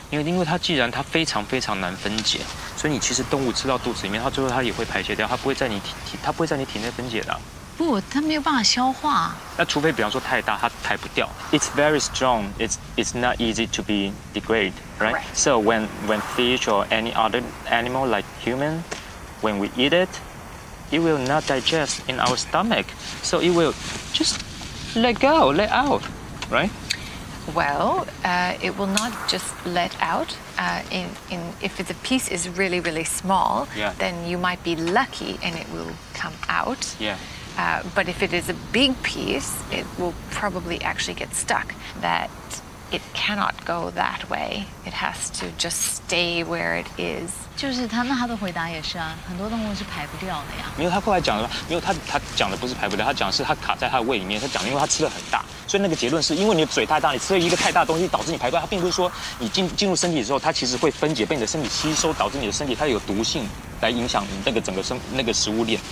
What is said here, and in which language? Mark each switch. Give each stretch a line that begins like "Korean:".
Chinese: 因为它既然它非常非常难分解，所以你其实动物吃到肚子里面，它最后它也会排泄掉，它不会在你体它不会在你体内分解的。不，它没有办法消化。那除非比方说太大，它排不掉。
English: It's very strong. It's not easy to be degraded, right? So when fish or any other animal like human, when we eat it, it will not digest in our stomach. So it will just. Let go, let out, right? Well, it will not just let out. In if the piece is really, really small, then you might be lucky and it will come out. Yeah. But if it is a big piece, it will probably actually get stuck. That it cannot go that way. It has to just stay where it is.
Chinese: 就是他那他的回答也是啊，很多动物是排不掉的呀。没有，他后来讲的，没有他讲的不是排不掉，他讲的是他卡在他的胃里面。他讲的因为他吃的很大，所以那个结论是因为你的嘴太大，你吃了一个太大的东西导致你排不掉。他并不是说你进入身体之后，它其实会分解被你的身体吸收，导致你的身体它有毒性来影响那个整个那个食物链。